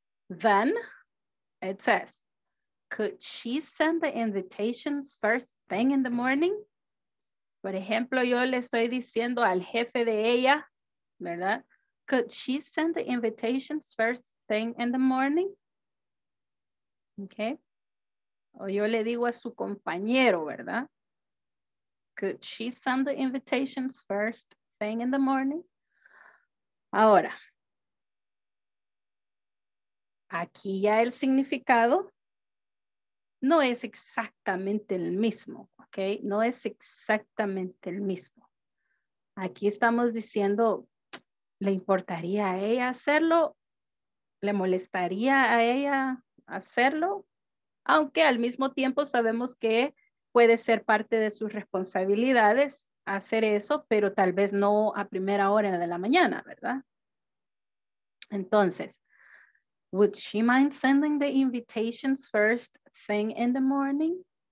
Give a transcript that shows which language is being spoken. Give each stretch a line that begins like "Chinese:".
English: Then it says, could she send the invitations first thing in the morning?
Spanish: Por ejemplo, yo le estoy diciendo al jefe de ella, ¿verdad?
English: Could she send the invitations first thing in the morning? Okay.
Spanish: O yo le digo a su compañero, ¿verdad?
English: Could she send the invitations first thing in the morning?
Spanish: Ahora, aquí ya el significado no es exactamente el mismo, ¿ok? No es exactamente el mismo. Aquí estamos diciendo, ¿le importaría a ella hacerlo? ¿Le molestaría a ella hacerlo? Aunque al mismo tiempo sabemos que puede ser parte de sus responsabilidades hacer eso, pero tal vez no a primera hora de la mañana, ¿verdad?
English: Entonces, would she mind sending the invitations first thing in the morning?